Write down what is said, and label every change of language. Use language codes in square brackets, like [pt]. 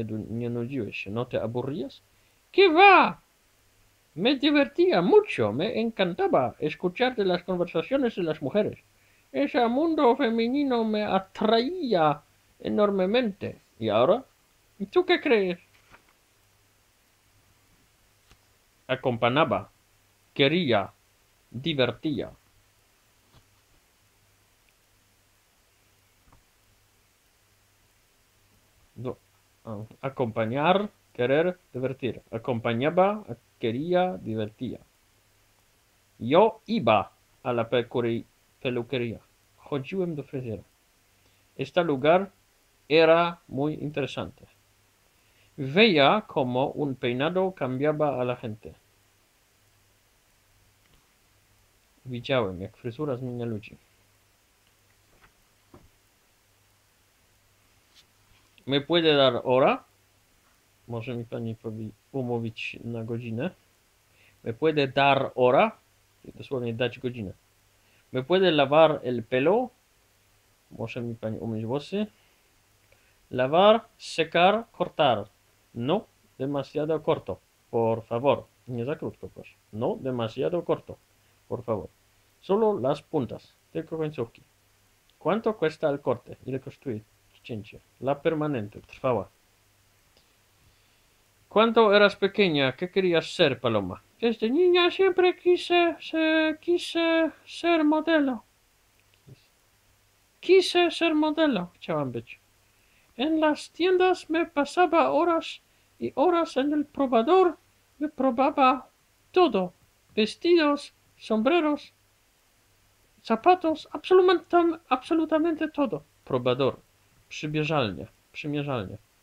[pl] Nie nudziłeś się, [es] no te aburrías? Kiwa! Me divertía mucho, me encantaba escuchar de las conversaciones de las mujeres. Ese mundo femenino me atraía enormemente. ¿Y ahora? ¿Tú qué crees? Acompañaba, quería, divertía. Acompañar, querer, divertir. Acompañaba, quería, divertía. Yo iba a la peluquería. Jodíum de frisera. Este lugar era muy interesante. Veía cómo un peinado cambiaba a la gente. [pl] Widziałem, jak fryzura zmienia ludzi. [es] ¿Me puede dar hora? [pl] Może mi pani umówić na godzinę. [es] ¿Me puede dar hora? [pl] Dosłownie dać godzinę. [es] ¿Me puede lavar el pelo? [pl] Może mi pani umyć włosy. [es] Lavar, secar, cortar. No, demasiado corto. Por favor. [pl] Nie za krótko, proszę. [es] No, demasiado corto. Por favor. Solo las puntas. [pl] Tylko końcówki. [es] ¿Cuánto cuesta el corte? [pl] Ile kosztuje cięcie? [es] La permanente. Trwała. Cuando eras pequeña, ¿qué querías ser, Paloma? Desde niña siempre quise ser modelo. Quise ser modelo, [pl] chciałam być. [es] En las tiendas me pasaba horas y horas en el probador. Me probaba todo. Vestidos, sombreros, zapatos, absolutamente todo. Probador. Przymierzalnia.